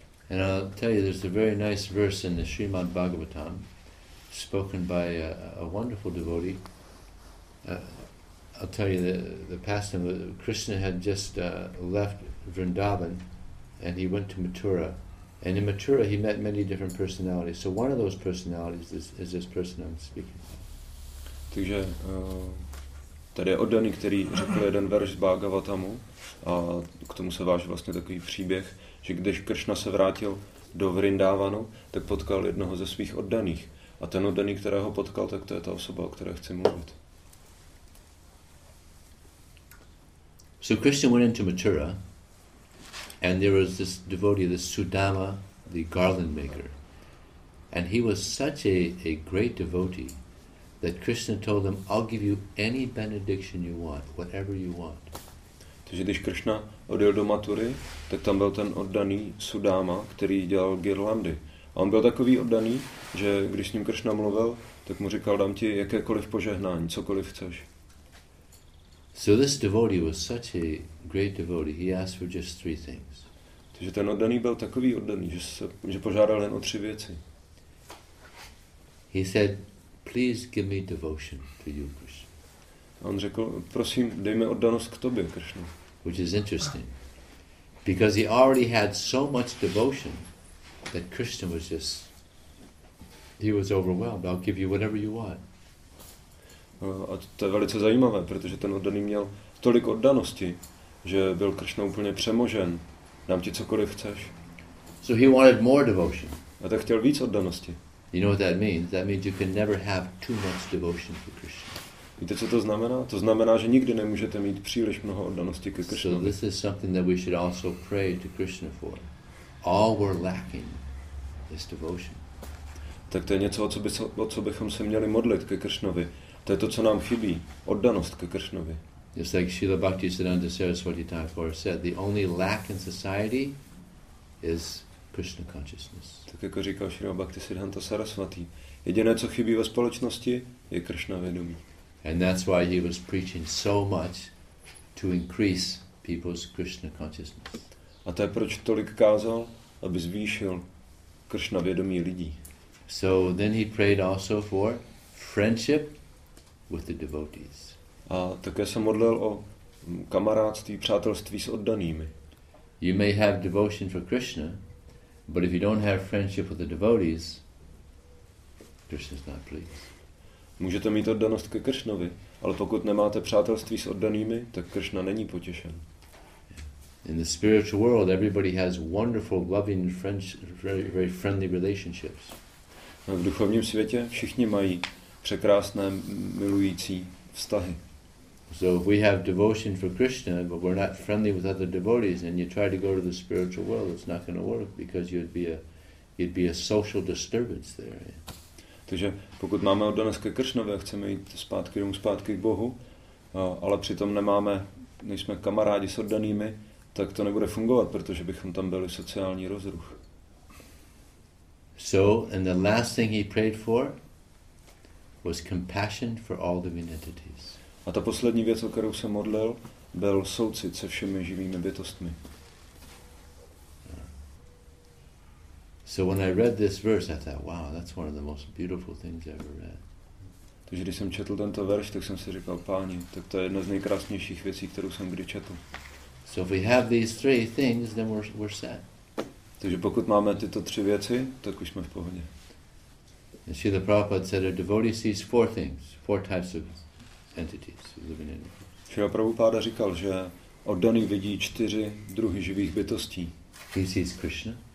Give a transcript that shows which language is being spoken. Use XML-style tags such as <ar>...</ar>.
<en>And I'll tell you, there's a very nice verse in the Srimad Bhagavatam spoken by a wonderful devotee. I'll tell you the pastime. Krishna had just left Vrindavan and he went to Mathura. And in Mathura, he met many different personalities. So one of those personalities is this person I'm speaking about.</en> <cs>Takže tady je oddaný, který řekl jeden verš z Bhagavatamu, a k tomu se váží vlastně takový příběh, že když Krishna se vrátil do Vrindavanu, tak potkal jednoho ze svých oddaných. A ten oddaný, kterého potkal, tak to je ta osoba, o které chci mluvit.</cs> <en>So Krishna went into Mathura, and there was this devotee, this Sudama, the garland maker. And he was such a great devotee that Krishna told him, I'll give you any benediction you want, whatever you want.</en> <cs>Takže když Krishna odjel do Mathury, tak tam byl ten oddaný Sudama, který dělal girlandy. A on byl takový oddaný, že když s ním Krishna mluvil, tak mu říkal, dám ti jakékoliv požehnání, cokoliv chceš.</cs> <en>So this devotee was such a great devotee. He asked for just three things.</en> <cs>Takže ten oddaný byl takový oddaný, že požádal jen o tři věci.</cs> <en>He said, please give me devotion to you, Krishna.</en> <cs>On řekl, prosím, dej mi oddanost k tobě, Krishna.</cs> <en>Which is interesting. Because he already had so much devotion that Krishna was just, he was overwhelmed. I'll give you whatever you want.</en> <cs>A to je velice zajímavé, protože ten oddaný měl tolik oddanosti, že byl Krishna úplně přemožen. Dám ti cokoliv chceš.</cs> <en>So he wanted more devotion.</en> <cs>A tak chtěl víc oddanosti.</cs> <en>You know what that means? That means you can never have too much devotion for Krishna.</en> <cs>Víte, co to znamená? To znamená, že nikdy nemůžete mít příliš mnoho oddanosti ke Krishna.</cs> <en>So this is something that we should also pray to Krishna for. All we're lacking is devotion.</en> <cs>Tak to je něco, o co bychom se měli modlit ke Krishnovi. To je to, co nám chybí. Oddanost ke Krishnovi.</cs> <en>Just like Srila Bhakti Siddhanta Saraswati Thakur said, the only lack in society is Krishna consciousness.</en> <cs>Tak jako říkal Srila Bhakti Siddhanta Saraswati, jediné, co chybí ve společnosti, je Krishna vědomí.</cs> <en>And that's why he was preaching so much to increase people's Krishna consciousness.</en> <cs>A to je, proč tolik kázal, aby zvýšil Krishna vědomí lidí.</cs> <en>So then he prayed also for friendship with the devotees.</en> <cs>A také se modlil o kamarádství, přátelství s oddanými.</cs> <en>You may have devotion for Krishna, but if you don't have friendship with the devotees, Krishna's not pleased.</en> <cs>Můžete mít oddanost ke Krishnovi, ale pokud nemáte přátelství s oddanými, tak Krishna není potěšen.</cs> <en>In the spiritual world, everybody has wonderful, loving, very friendly relationships.</en> <cs>A v duchovním světě všichni mají překrásné milující vztahy.</cs> <en>So if we have devotion for Krishna, but we're not friendly with other devotees, and you try to go to the spiritual world, it's not going to work because you'd be a social disturbance there.</en> <cs>Takže pokud máme oddanost ke Krishnovi a chceme jít zpátky domů, zpátky k Bohu, ale přitom nejsme kamarádi s oddanými, tak to nebude fungovat, protože bychom tam byli sociální rozruch.</cs> <en>So, and the last thing he prayed for was compassion for all living entities.</en> <cs>A ta poslední věc, o kterou se modlil, byl soucit se všemi živými bytostmi.</cs> <en>So when I read this verse, I thought, wow, that's one of the most beautiful things I ever read.</en> <cs>Takže když jsem četl tento verš, tak jsem si říkal, páni, tak to je jedna z nejkrásnějších věcí, kterou jsem kdy četl.</cs> <en>So if we have these three things, then we're set.</en> <cs>Takže pokud máme tyto tři věci, tak už jsme v pohodě.</cs> <en>And Srila Prabhupada said a devotee sees four things, four types of entities living in it.</en> <cs>Srila Prabhupada říkal, že oddaný vidí čtyři druhy živých bytostí.</cs> <en>He sees Krishna,</en>